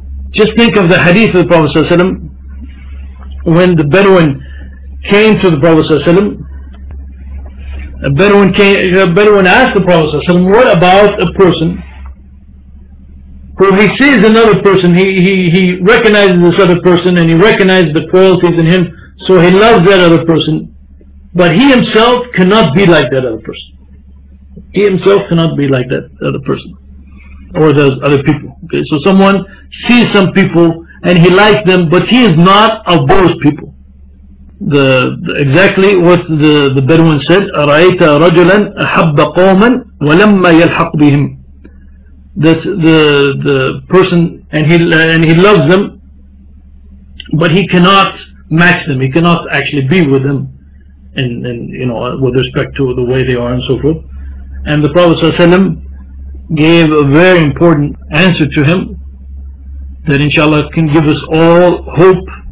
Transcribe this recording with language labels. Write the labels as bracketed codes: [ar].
[en] Just think of the hadith of the Prophet ﷺ, when the Bedouin came to the Prophet ﷺ, a Bedouin asked the Prophet ﷺ, what about a person where he sees another person, he recognizes this other person and he recognizes the qualities in him, so he loves that other person, but he himself cannot be like that other person. He himself cannot be like that other person or those other people. Okay, so someone sees some people and he likes them, but he is not of those people. Exactly what the Bedouin said, [ar] أَرَأَيْتَ رَجُلًا أَحَبَّ قَوْمًا وَلَمَّا يَلْحَقْ بِهِمْ. [en] That the person and he loves them, but he cannot match them. He cannot actually be with them, and you know, with respect to the way they are and so forth. And the Prophet ﷺ gave a very important answer to him that inshallah can give us all hope.